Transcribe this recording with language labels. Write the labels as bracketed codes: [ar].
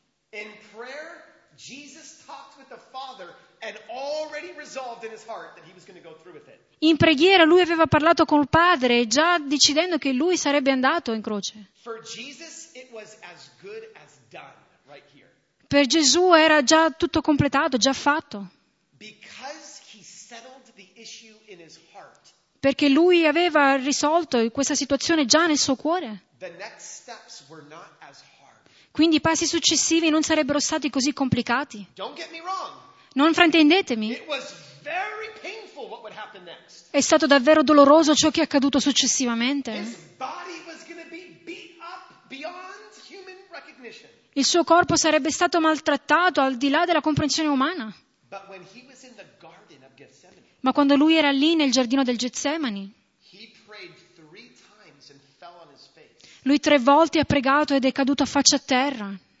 [en] In prayer, Jesus talked with the Father and already resolved in his heart that he was going to go through with it. [it] In preghiera lui aveva parlato col Padre, già decidendo che lui sarebbe andato in croce. [en] For Jesus, it was as good as done right here. [it] Per Gesù era già tutto completato, già fatto. [en] Because he settled the issue in his heart. [it] Perché lui aveva risolto questa situazione già nel suo cuore. [en] The next steps were not as hard. [it] Quindi i passi successivi non sarebbero stati così complicati. [en] Don't get me wrong. [it] Non fraintendetemi. [en] It was very painful what would happen next. [it] È stato davvero doloroso ciò che è accaduto successivamente. [en] His body was gonna be beat up beyond human recognition. [it] Il suo corpo sarebbe stato maltrattato al di là della comprensione umana. [en] But when he was in the garden of Gethsemane, [it] ma quando lui era lì nel giardino del Getsemani, [en] he prayed three times and fell on his face. [it] Lui tre volte ha pregato ed è caduto a faccia a terra.